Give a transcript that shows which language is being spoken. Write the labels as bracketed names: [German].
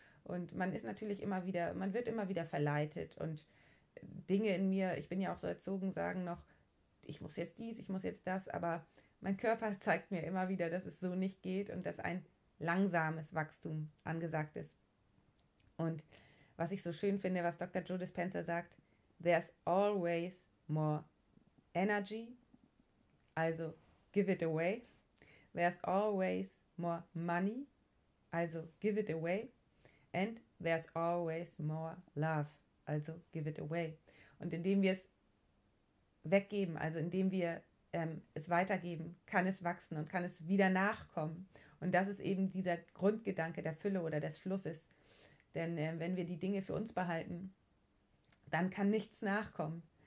[German] Und man ist natürlich immer wieder, man wird immer wieder verleitet und Dinge in mir, ich bin ja auch so erzogen, sagen noch, ich muss jetzt dies, ich muss jetzt das, aber mein Körper zeigt mir immer wieder, dass es so nicht geht und dass ein langsames Wachstum angesagt ist. Und was ich so schön finde, was Dr. [English] Joe Dispenza sagt, there's always more energy, also give it away. There's always more money, also give it away. And there's always more love, also give it away. [German] Und indem wir es weggeben, also indem wir es weitergeben, kann es wachsen und kann es wieder nachkommen. Und das ist eben dieser Grundgedanke der Fülle oder des Flusses. Denn wenn wir die Dinge für uns behalten, dann kann nichts nachkommen.